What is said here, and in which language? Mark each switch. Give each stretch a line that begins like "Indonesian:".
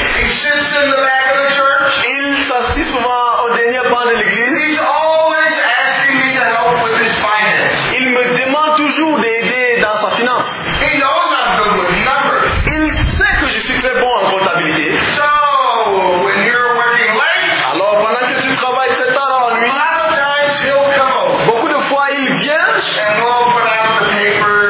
English: He sits in the back of the church.
French: Il s'assied souvent au dernier banc de l'église.
English: He's always asking me to help with his finances.
French: Il me demande toujours d'aider dans sa finance.
English: He knows I'm good with numbers.
French: Il sait que je suis très bon en comptabilité.
English: So, when you're working late,
French: alors pendant que tu travailles très tard dans la nuit,
English: a lot of times he'll come.
French: Beaucoup de fois il vient,
English: and we'll put out the paper,